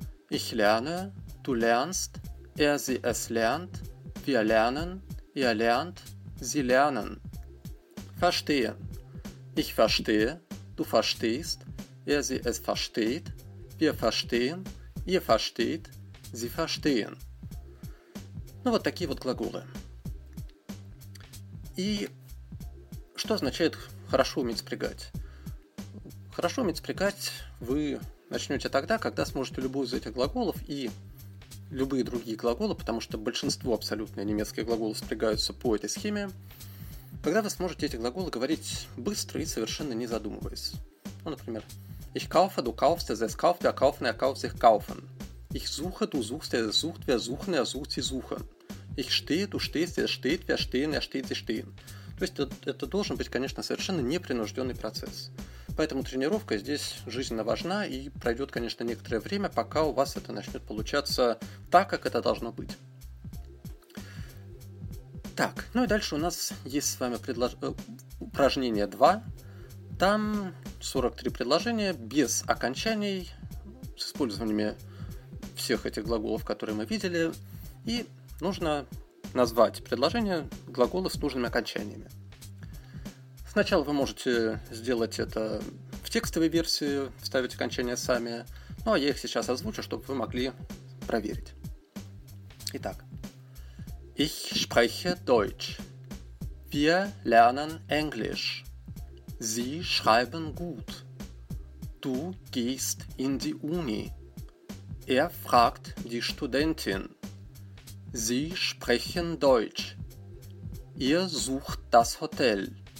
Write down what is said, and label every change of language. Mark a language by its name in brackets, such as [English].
[German] Ich lerne, du lernst, er, sie, es lernt, wir lernen, ihr lernt, sie lernen. Verstehen. Ich verstehe, du verstehst, er, sie, es versteht, wir verstehen, ihr versteht, sie verstehen. [Russian] Ну вот такие вот глаголы. И что означает хорошо уметь спрягать? Хорошо уметь спрягать вы начнете тогда, когда сможете любой из этих глаголов и любые другие глаголы, потому что большинство абсолютно немецких глаголов спрягаются по этой схеме, когда вы сможете эти глаголы говорить быстро и совершенно не задумываясь. Ну, например, [German] ich kaufe, du kaufst, er, sie kauft, wir kaufen, er kauft, sie kaufen. Ich suche, du suchst, er sucht, wir suchen, er sucht, sie suchen. Ich stehe, du stehst, er steht, wir stehen, er steht, sie stehen. [Russian] То есть это должен быть, конечно, совершенно непринужденный процесс. Поэтому тренировка здесь жизненно важна и пройдет, конечно, некоторое время, пока у вас это начнет получаться так, как это должно быть. Так, ну и дальше у нас есть с вами упражнение 2. Там 43 предложения без окончаний, с использованием всех этих глаголов, которые мы видели, и нужно назвать предложение глагола с нужными окончаниями. Сначала вы можете сделать это в текстовой версии, вставить окончания сами, ну а я их сейчас озвучу, чтобы вы могли проверить. Итак. [German] Ich spreche Deutsch. Wir lernen Englisch. Sie schreiben gut. Du gehst in die Uni. Er fragt die Studentin. Sie sprechen Deutsch. Ihr sucht das Hotel.